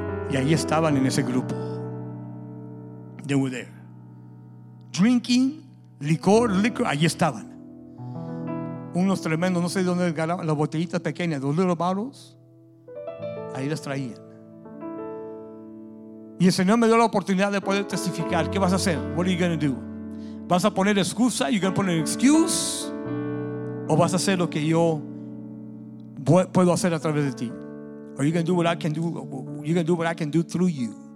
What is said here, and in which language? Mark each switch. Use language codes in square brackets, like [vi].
[es] Y ahí estaban en ese grupo. [en] They were there. Drinking, [es] licor, ahí estaban. Unos tremendos, no sé de dónde, las botellitas pequeñas, los [en] little bottles, [es] ahí las traían. Y el Señor me dio la oportunidad de poder testificar. ¿Qué vas a hacer? [en] What are you going to do? [es] ¿Vas a poner excusa? [en] You're going to put an excuse? [es] ¿O vas a hacer lo que yo puedo hacer a través de ti? [en] Are you going to do what I can do? You're going to do what I can do through you.